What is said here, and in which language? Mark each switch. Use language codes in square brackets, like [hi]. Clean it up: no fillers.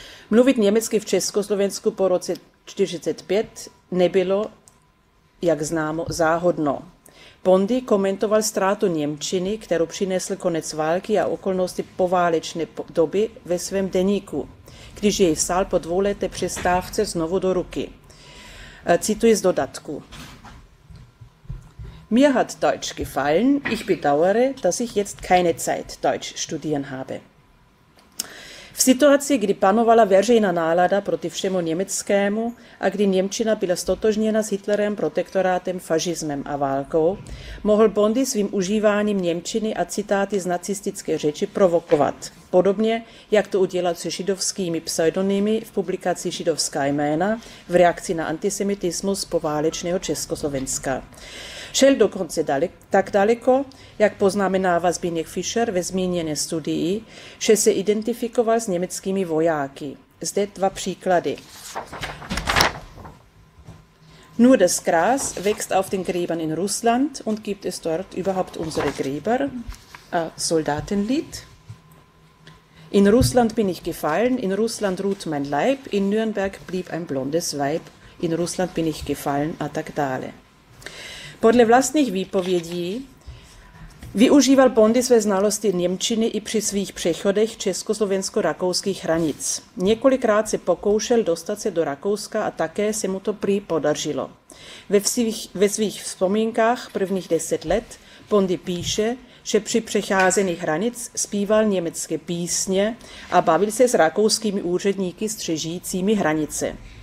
[cs] Mluvit německy v Československu po roce 45 nebylo, jak známo, záhodno. Bondy komentoval ztrátu němčiny, kterou přinesl konec války a okolnosti poválečné doby ve svém deníku, když jej vzal po dvouleté přestávce znovu do ruky. Cituji z dodatku. [de] Mir hat Deutsch gefallen. Ich bedauere, dass ich jetzt keine Zeit Deutsch studieren habe. [cs] V situaci, kdy panovala veřejná nálada proti všemu německému a kdy němčina byla stotožněna s Hitlerem, protektorátem, fašismem a válkou, mohl Bondy svým užíváním němčiny a citáty z nacistické řeči provokovat. Podobně, jak to udělal se židovskými pseudonymy v publikaci Židovská jména v reakci na antisemitismus poválečného Československa. Šel dokonce tak daleko, jak poznamenává Zbigněk Fischer ve zmíněné studii, že se identifikoval s německými vojáky. Zde dva příklady. [de] Nur das Gras wächst auf den Gräbern in Russland und gibt es dort überhaupt unsere Gräber? Soldatenlied. In Russland bin ich gefallen, in Russland ruht mein Leib, in Nürnberg blieb ein blondes Weib, in Russland bin ich gefallen, [cs] a tak dále. Podle vlastních výpovědí využíval Bondy své znalosti němčiny i při svých přechodech československo-rakouských hranic. Několikrát se pokoušel dostat se do Rakouska a také se mu to prý podařilo. Ve svých vzpomínkách prvních 10 let Bondy píše, že při přecházení hranic zpíval německé písně a bavil se s rakouskými úředníky střežícími hranice.